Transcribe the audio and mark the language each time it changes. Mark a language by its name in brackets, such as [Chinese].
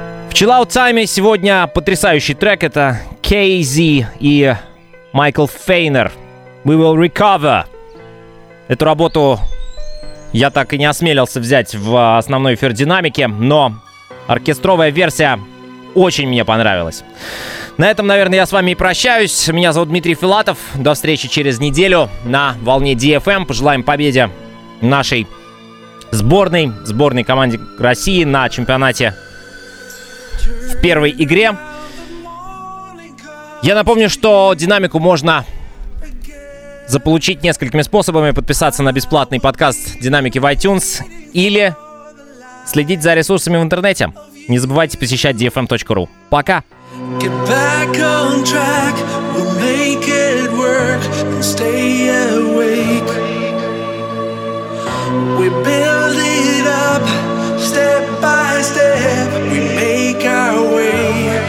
[Russian] В Chillout Time сегодня потрясающий трек. Это KZ и Michael Feiner. [English] We Will Recover. [Russian] Эту работу я так и не осмелился взять в основной эфир динамики, но оркестровая версия очень мне понравилась. На этом, наверное, я с вами и прощаюсь. Меня зовут Дмитрий Филатов. До встречи через неделю на волне DFM. Пожелаем победы нашей сборной, сборной команде России на чемпионате в первой игре. Я напомню, что динамику можно заполучить несколькими способами. Подписаться на бесплатный подкаст «Динамики» в iTunes или следить за ресурсами в интернете. Не забывайте посещать dfm.ru. Пока! [English] Get back on track, we'll make it work and stay awake. We build it up, step by step, we make our way.